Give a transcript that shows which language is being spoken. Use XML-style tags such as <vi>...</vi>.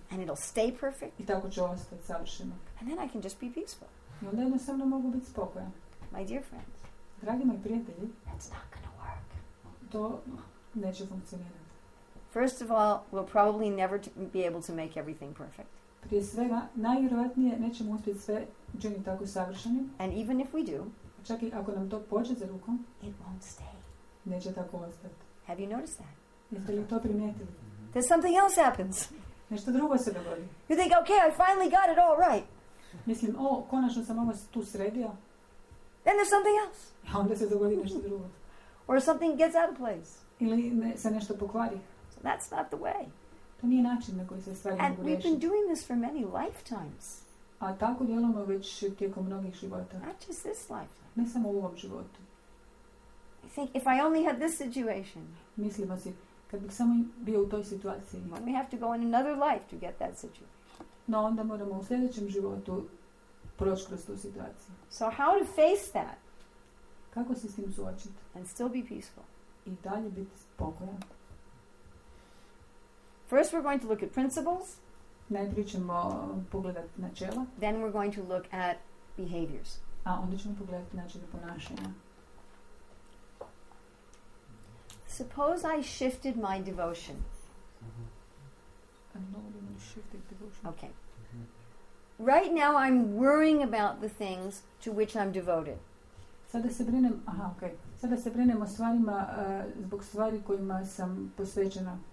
<en>And it'll stay perfect.</en> <hr>I tako će ostati savršeno.</hr> <en>And then I can just be peaceful.</en> <hr>I onda jednostavno mogu biti spokojan.</hr> <en>My dear friends.</en> <hr>Dragi moji prijatelji.</hr> <en>That's not gonna work.</en> <hr>To neće funkcionirati.</hr> <en>First of all, we'll probably never be able to make everything perfect.</en> <hr>Prije svega, najvjerojatnije nećemo uspjeti sve učiniti tako savršenim.</hr> <en>And even if we do.</en> <hr>Čak i ako nam to pođe za rukom,</hr> <en>it won't stay.</en> <hr>Neće tako ostati.</hr> <en>Have you noticed that?</en> <hr>Jeste li to primijetili?</hr> <en>There's something else happens.</en> <hr>Nešto drugo se dogodi.</hr> <en>You think, okay, I finally got it all right.</en> <hr>Mislim, o, konačno sam ovo tu sredio.</hr> <en>Then there's something else.</en> <hr>A onda se dogodi nešto drugo.</hr> <en>Or something gets out of place.</en> <hr>Ili se nešto pokvari.</hr> <en>So that's not the way.</en> <hr>To nije način na koji se stvari mogu rešiti.</hr> <en>And we've been doing this for many lifetimes.</en> <hr>A tako djelamo već tijekom mnogih života.</hr> <en>Not just this life.</en> <hr>Ne samo u ovom životu.</hr> <en>I think if I only had this situation.</en> <hr>Mislimo si, kad bih samo bio u toj situaciji.</hr> <en>Well, we have to go in another life to get that situation.</en> <hr>No, onda moramo u sljedećem životu proći kroz tu situaciju.</hr> <en>So how to face that?</en> <hr>Kako se s tim suočiti?</hr> <en>And still be peaceful.</en> <hr>I dalje biti spokojan.</hr> <en>First we're going to look at principles.</en> <hr>Najprije ćemo pogledati načela.</hr> <en>Then we're going to look at behaviors.</en> <hr>A onda ćemo pogledati načine ponašanja.</hr> <en>Suppose I shifted my devotion. I'm not even shifting devotion. Okay. Right now I'm worrying about the things to which I'm devoted.</en> <hr>Sada se brinem, okay. Sada se brinem o stvarima zbog stvari kojima sam posvećena.</hr>